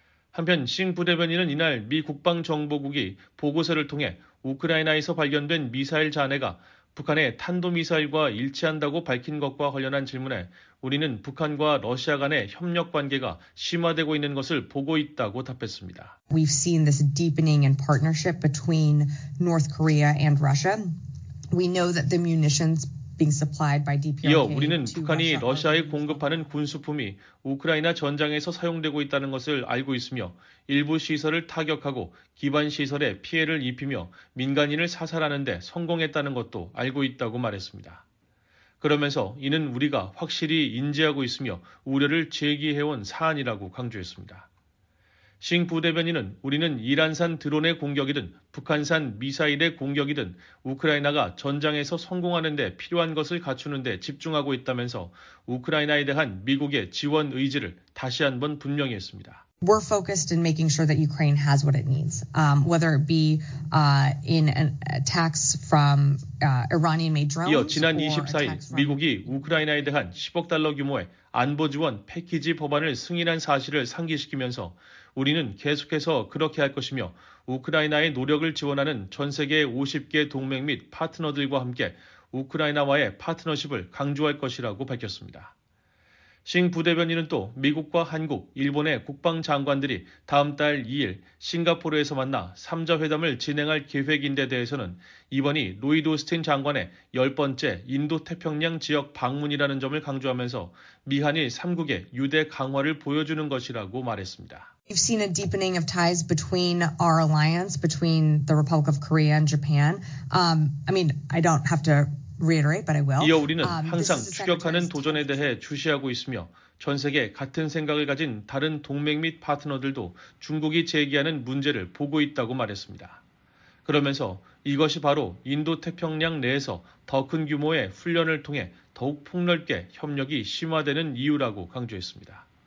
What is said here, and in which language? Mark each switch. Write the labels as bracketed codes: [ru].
[ko] 한편 싱 부대변인은 이날 미 국방정보국이 보고서를 통해 우크라이나에서 발견된 미사일 잔해가 북한의 탄도미사일과 일치한다고 밝힌 것과 관련한 질문에 우리는 북한과 러시아 간의 협력 관계가 심화되고 있는 것을 보고 있다고 답했습니다. [en] We've seen this deepening in partnership between North Korea and Russia. We know that the munitions being supplied by DPRK to Russia. [ko] 이어 우리는 북한이 러시아에 공급하는 군수품이 우크라이나 전장에서 사용되고 있다는 것을 알고 있으며 일부 시설을 타격하고 기반 시설에 피해를 입히며 민간인을 사살하는 데 성공했다는 것도 알고 있다고 말했습니다. 그러면서 이는 우리가 확실히 인지하고 있으며 우려를 제기해온 사안이라고 강조했습니다. 싱 부대변인은 우리는 이란산 드론의 공격이든 북한산 미사일의 공격이든 우크라이나가 전장에서 성공하는 데 필요한 것을 갖추는 데 집중하고 있다면서 우크라이나에 대한 미국의 지원 의지를 다시 한번 분명히 했습니다. [en] We're focused in making sure that Ukraine has what it needs, whether it be in attacks from Iranian-made drones. [ko] 이어 지난 24일 미국이 우크라이나에 대한 10억 달러 규모의 안보 지원 패키지 법안을 승인한 사실을 상기시키면서 우리는 계속해서 그렇게 할 것이며 우크라이나의 노력을 지원하는 전 세계 50개 동맹 및 파트너들과 함께 우크라이나와의 파트너십을 강조할 것이라고 밝혔습니다. 싱 부대변인은 또 미국과 한국, 일본의 국방 장관들이 다음 달 2일 싱가포르에서 만나 3자 회담을 진행할 계획인데 대해서는 이번이 로이드 오스틴 장관의 10번째 인도태평양 지역 방문이라는 점을 강조하면서 미한이 3국의 유대 강화를 보여주는 것이라고 말했습니다. [en] We've seen a deepening of ties between our alliance, between the Republic of Korea and Japan. I don't have to reiterate, but I will. [ko] 이어 우리는 항상 추격하는 도전에 대해 주시하고 있으며 전 세계 같은 생각을 가진 다른 동맹 및 파트너들도 중국이 제기하는 문제를 보고 있다고 말했습니다. 그러면서 이것이 바로 인도태평양 내에서 더 큰 규모의 훈련을 통해 더욱 폭넓게 협력이 심화되는 이유라고 강조했습니다.